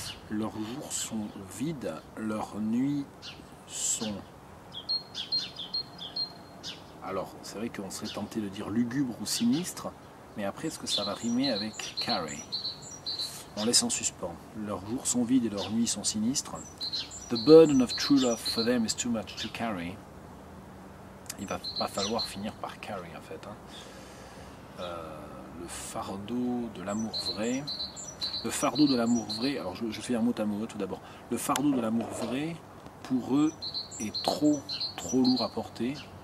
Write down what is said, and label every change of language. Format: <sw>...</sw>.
<fr>Leurs jours sont vides, leurs nuits sont. Alors, c'est vrai qu'on serait tenté de dire lugubre ou sinistre, mais après, est-ce que ça va rimer avec carry? On laisse en suspens. Leurs jours sont vides et leurs nuits sont sinistres.</fr> <en>The burden of true love for them is too much to carry.</en> <fr>Il va pas falloir finir par carry, en fait. Hein. Le fardeau de l'amour vrai. Le fardeau de l'amour vrai, alors je fais un mot à mot tout d'abord. Le fardeau de l'amour vrai, pour eux, est trop, trop lourd à porter.</fr>